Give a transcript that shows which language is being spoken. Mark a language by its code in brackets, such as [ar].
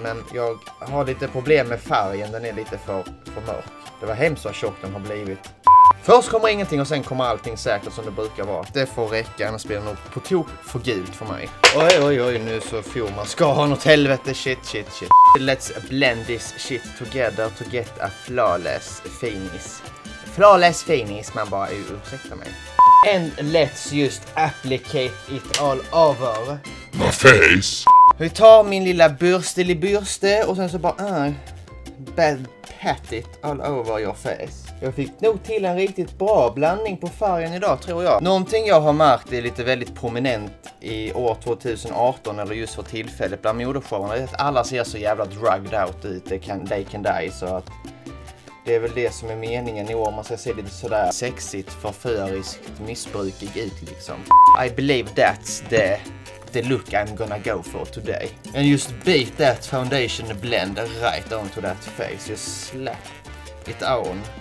[sv] Men jag har lite problem med färgen, den är lite för mörk. Det var hemskt vad tjock den har blivit. Först kommer ingenting och sen kommer allting säkert som det brukar vara. Det får räcka, annars blir det nog på tok för gult för mig. Oj, oj, oj, nu så får man ska ha något helvete, shit, shit, shit. [en] Let's blend this shit together to get a flawless finish. Flawless finish, [sv] man bara, ursäkta mig. [en] And let's just applicate it all over my face. [sv] Vi tar min lilla bürstelibürste och sen så bara, [en] pat it all over your face. [sv] Jag fick nog till en riktigt bra blandning på färgen idag, tror jag. Någonting jag har märkt är lite väldigt prominent i år 2018, eller just för tillfället bland modershowarna, är att alla ser så jävla drugged out ut, [en] they can die, [sv] så att det är väl det som är meningen i år, man ska se lite sådär sexigt, förföriskt, missbrukig ut liksom. [en] I believe that's the look I'm gonna go for today. And just beat that foundation blend right onto that face, just slap it on.